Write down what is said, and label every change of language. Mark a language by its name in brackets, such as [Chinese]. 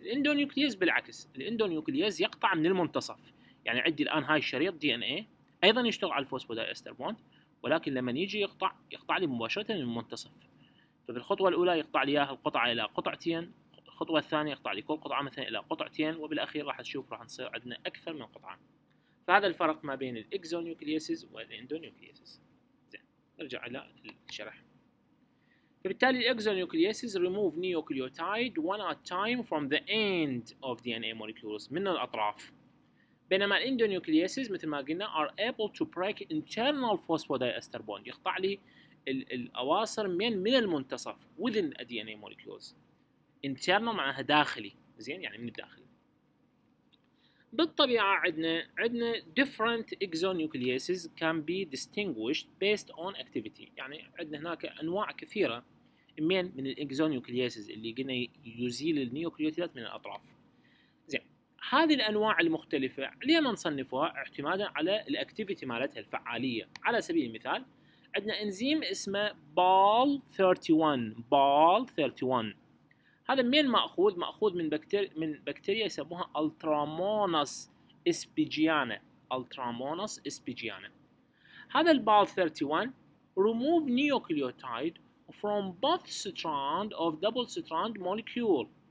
[Arabic] الاندونيوكلييز بالعكس، الاندونيوكلييز يقطع من المنتصف، يعني عندي الان هاي الشريط دي ان اي ايضا يشتغل على الفوسفودايستر بوند، ولكن لما يجي يقطع لي مباشرة من المنتصف. فبالخطوة الاولى يقطع لي اياها القطعة الى قطعتين، الخطوة الثانية يقطع لي كل قطعة مثلا إلى قطعتين، وبالأخير راح تشوف راح نصير عندنا أكثر من قطعة. ف فهذا الفرق ما بين الإكزونيوكليسيز والإندونيوكليسيز. زين نرجع إلى الشرح. [English] فبالتالي الإكزونيوكليسيز remove nucleotide one at a time from the end of DNA molecules [Arabic] من الأطراف. بينما الإندونيوكليسيز مثل ما قلنا [English] are able to break internal phosphodiester bond [Arabic] يقطع لي الأواصر من المنتصف [English] within the DNA molecules. [Arabic] internal معناها داخلي. زين يعني من الداخل. بالطبيعة عندنا [English] different exonucleases can be distinguished based on activity. [Arabic] يعني عندنا هناك أنواع كثيرة من الexonucleases اللي قلنا يزيل النيوكليوتيدات من الأطراف. زين هذه الأنواع المختلفة ليه ما نصنفها اعتمادا على الactivity مالتها الفعالية. على سبيل المثال عندنا إنزيم اسمه Bal31. هذا من مأخوذ؟ مأخوذ من بكتيريا يسموها Ultramonas spigiana. Ultramonas spigiana. هذا البال 31 [English] remove nucleotide from both strand of double strand molecule.